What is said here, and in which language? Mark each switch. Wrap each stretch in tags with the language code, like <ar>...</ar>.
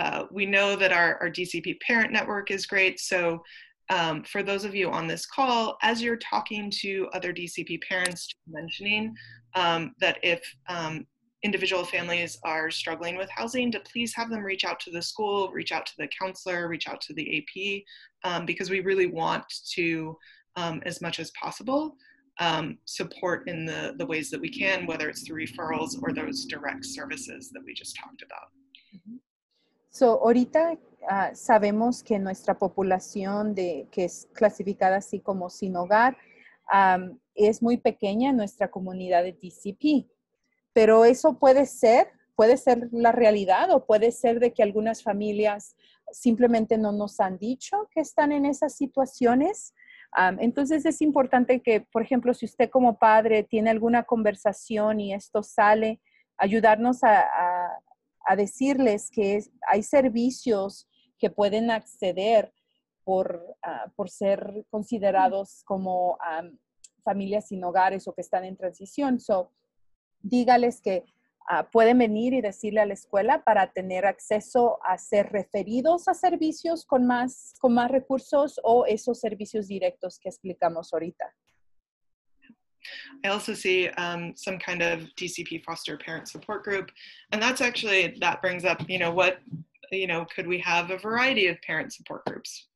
<en>We know that our DCP parent network is great. So for those of you on this call, as you're talking to other DCP parents, mentioning that if individual families are struggling with housing, to please have them reach out to the school, reach out to the counselor, reach out to the AP, because we really want to, as much as possible, support in the ways that we can, whether it's through referrals or those direct services that we just talked about.</en> <es>So ahorita sabemos que nuestra población que es clasificada así como sin hogar es muy pequeña en nuestra comunidad de DCP, pero eso puede ser la realidad o puede ser de que algunas familias simplemente no nos han dicho que están en esas situaciones. Entonces es importante que, por ejemplo, si usted como padre tiene alguna conversación y esto sale, ayudarnos a decirles que hay servicios que pueden acceder por ser considerados como familias sin hogares o que están en transición. So, dígales que pueden venir y decirle a la escuela para tener acceso a ser referidos a servicios con más recursos o esos servicios directos que explicamos ahorita.</es> <en>I also see some kind of DCP foster parent support group, and that's actually, that brings up, could we have a variety of parent support groups?</en>